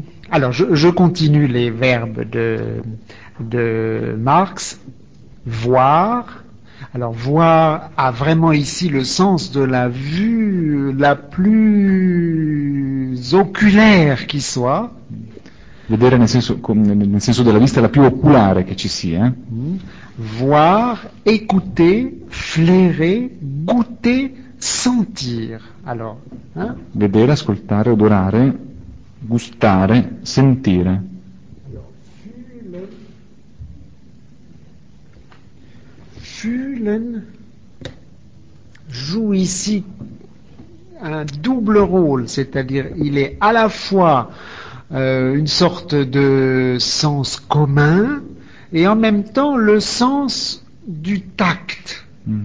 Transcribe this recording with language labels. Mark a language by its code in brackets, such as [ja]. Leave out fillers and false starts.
[fr] Allora, je continue les verbes de Marx, voir. Alors, voir a vraiment ici le sens de la vue la plus oculaire qui soit. [it] Vedere nel senso della vista la più oculare che ci sia. [fr] Voir, écouter, flairer, goûter, sentir. Alors, [it] vedere, ascoltare, odorare, gustare, sentire. [fr] Fühlen joue ici un double rôle, c'est-à-dire il est à la fois une sorte de sens commun et en même temps le sens du tact. Mm-hmm.